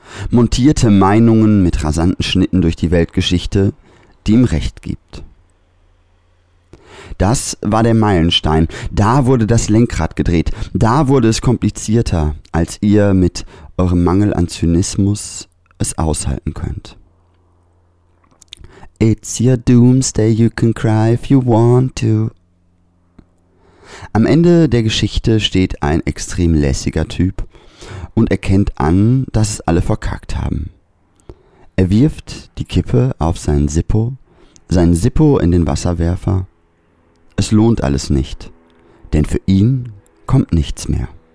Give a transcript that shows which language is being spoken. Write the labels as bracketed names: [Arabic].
[German] Montierte Meinungen mit rasanten Schnitten durch die Weltgeschichte, die ihm Recht gibt. Das war der Meilenstein. Da wurde das Lenkrad gedreht. Da wurde es komplizierter, als ihr mit eurem Mangel an Zynismus es aushalten könnt. [English] It's your doomsday, you can cry if you want to. [German] Am Ende der Geschichte steht ein extrem lässiger Typ und erkennt an, dass es alle verkackt haben. Er wirft die Kippe auf sein Sippo in den Wasserwerfer. Es lohnt alles nicht, denn für ihn kommt nichts mehr.